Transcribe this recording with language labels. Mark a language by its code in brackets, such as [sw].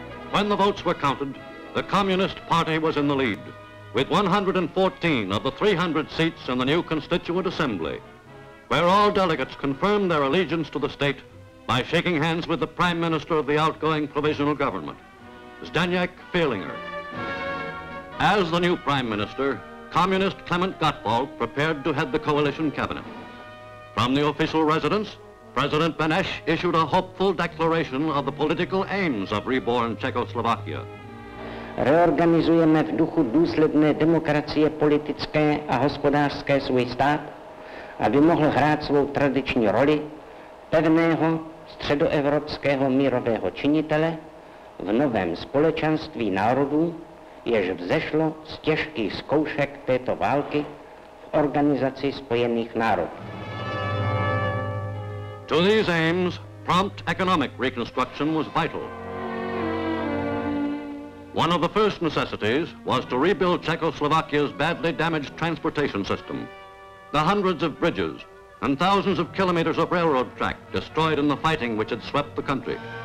[en] When the votes were counted, the Communist Party was in the lead, with 114 of the 300 seats in the new Constituent Assembly, where all delegates confirmed their allegiance to the state by shaking hands with the Prime Minister of the outgoing provisional government, Zdeněk Fehlinger. As the new Prime Minister, Communist Clement Gottwald prepared to head the coalition cabinet. From the official residence, President Beneš issued a hopeful declaration of the political aims of reborn Czechoslovakia. [cs] Reorganizujeme v duchu důsledné demokracie politické a hospodářské svůj stát, aby mohl hrát svou tradiční roli pevného středoevropského mírového činitele v novém společenství národů, jež vzešlo z těžkých zkoušek této války v Organizaci spojených národů. [en] To these aims, prompt economic reconstruction was vital. One of the first necessities was to rebuild Czechoslovakia's badly damaged transportation system. The hundreds of bridges and thousands of kilometers of railroad track destroyed in the fighting which had swept the country.